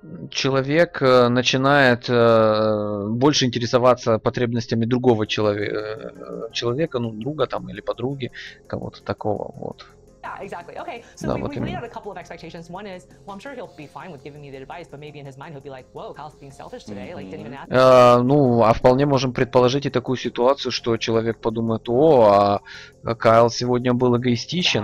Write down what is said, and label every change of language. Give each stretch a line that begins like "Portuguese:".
Russian: Человек начинает больше интересоваться потребностями другого человека, ну, друга там или подруги, кого-то такого, вот.
English: Yeah, exactly. Okay. So да, we laid out a couple of expectations. One is, well, I'm sure he'll be fine with giving me the advice, but maybe in his mind he'll be like, whoa, Kyle's being selfish today, mm-hmm. like didn't even ask.
Russian: Ну, а вполне можем предположить и такую ситуацию, что человек подумает, о, а Кайл сегодня был эгоистичен.